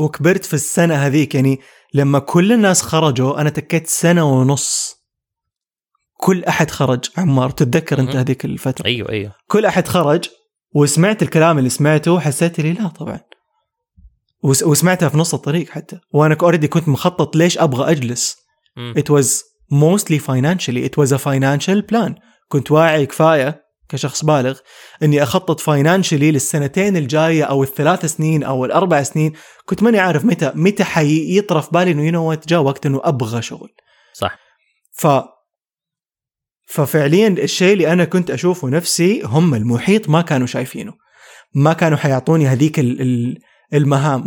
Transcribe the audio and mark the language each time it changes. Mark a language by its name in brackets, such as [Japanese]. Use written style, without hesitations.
[Arabic] وكبرت في السنه هذيك. يعني لما كل الناس خرجوا انا تكيت سنه ونص. كل احد خرج عمار تتذكر انت هذيك الفتره. ايوه كل احد خرج وسمعت الكلام اللي سمعته حسيت لي لا طبعا وسمعتها في نص الطريق حتى وانا اوريدي كنت مخطط ليش ابغى اجلس. [English] It was mostly financially. It was a financial plan. [Arabic] كنت واعي كفايه كشخص بالغ اني اخطط financially للسنتين الجايه او الثلاث سنين او الاربع سنين. كنت ماني عارف متى حيطرف بالي انه [English] you know what [Arabic] جاء وقت انه ابغى شغل صح. ففعليا الشيء اللي أنا كنت أشوفه نفسي هم المحيط ما كانوا شايفينه، ما كانوا حيعطوني هذيك المهام.